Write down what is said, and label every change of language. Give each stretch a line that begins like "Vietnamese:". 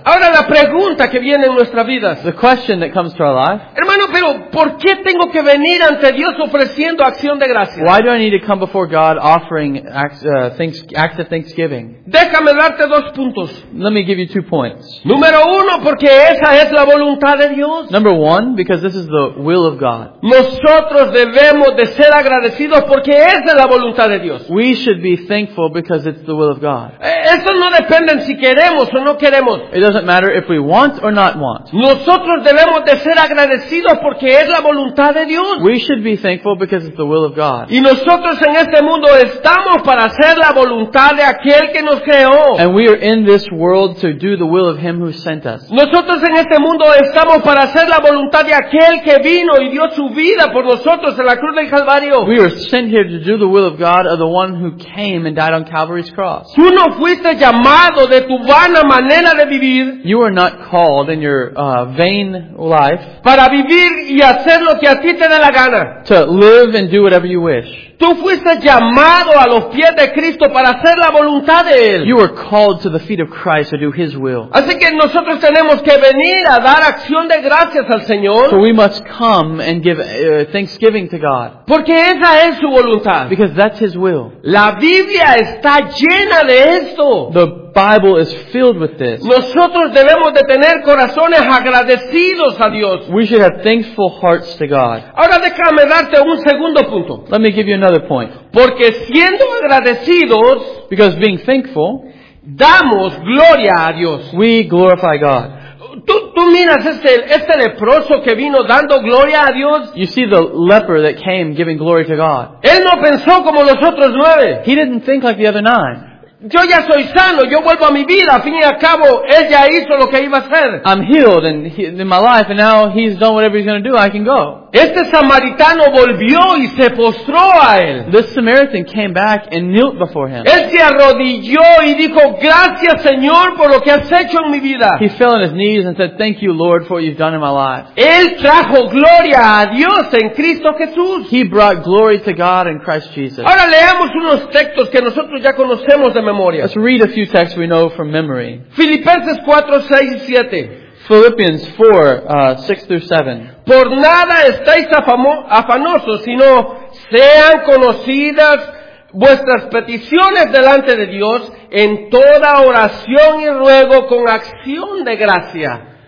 Spanish: Ahora la pregunta que viene en nuestras vidas.
English: The question that comes to our life.
Spanish: Hermano, pero ¿por qué tengo que venir ante Dios ofreciendo acción de gracias?
English: Why do I need to come before God offering acts of thanksgiving?
Spanish: Déjame darte dos puntos.
English: Let me give you 2 points.
Spanish: Número uno, porque esa es la voluntad de Dios.
English: Number one, because this is the will of God.
Spanish: Nosotros debemos de ser agradecidos porque esa es la voluntad de Dios.
English: We should be thankful because it's the will of God.
Spanish: Eso no depende si queremos o no queremos.
English: It doesn't matter if we want or not want.
Spanish: Nosotros debemos de ser agradecidos porque es la voluntad de Dios.
English: We should be thankful because it's the will of God.
Spanish: Y nosotros en este mundo estamos para hacer la voluntad de aquel que nos creó.
English: And we are in this world to do the will of him who sent us.
Spanish: Nosotros en este mundo estamos para hacer la voluntad de aquel que vino y dio su vida por nosotros en la cruz del Calvario.
English: We are sent here to do the will of God, of the one who came and died on Calvary's cross.
Spanish: Tú no fuiste llamado de tu vana manera de vivir.
English: You are not called in your vain life
Spanish: para vivir y hacer lo que a ti te dé la gana.
English: To live and do whatever you wish.
Spanish: Tú fuiste llamado a los pies de Cristo para hacer la voluntad de Él.
English: You were called to the feet of Christ to do His will.
Spanish: Así que nosotros tenemos que venir a dar acción de gracias al Señor.
English: So we must come and give thanksgiving to God.
Spanish: Porque esa es su voluntad.
English: Because that's His will.
Spanish: La Biblia está llena de esto.
English: The Bible is filled with this.
Spanish: Nosotros debemos de tener corazones agradecidos a Dios.
English: We should have thankful hearts to God.
Spanish: Ahora déjame darte un segundo punto.
English: Let me give you another point.
Spanish: Porque siendo agradecidos,
English: because being thankful,
Spanish: damos gloria a Dios.
English: We glorify God.
Spanish: Tú miras este leproso que vino dando gloria a Dios.
English: You see the leper that came giving glory to God.
Spanish: Él no pensó como los otros nueve.
English: He didn't think like the other nine.
Spanish: Yo ya soy sano, yo vuelvo a mi vida, al fin y al cabo, él ya hizo lo que iba a hacer.
English: I'm healed in my life, and now he's done whatever he's going to do, I can go.
Spanish: Este samaritano volvió y se postró a él.
English: This Samaritan came back and knelt before him.
Spanish: Él se arrodilló y dijo, gracias Señor por lo que has hecho en mi vida.
English: He fell on his knees and said, thank you Lord for what you've done in my life.
Spanish: Él trajo gloria a Dios en Cristo Jesús.
English: He brought glory to God in Christ Jesus.
Spanish: Ahora leamos unos textos que nosotros ya conocemos de memoria.
English: Let's read a few texts we know from memory.
Spanish: Filipenses 4, 6 y 7.
English: Philippians 4, 6 through 7.
Spanish: Por nada estéis afanosos, sino sean conocidas vuestras peticiones delante de Dios en toda oración y ruego con acción de gracia.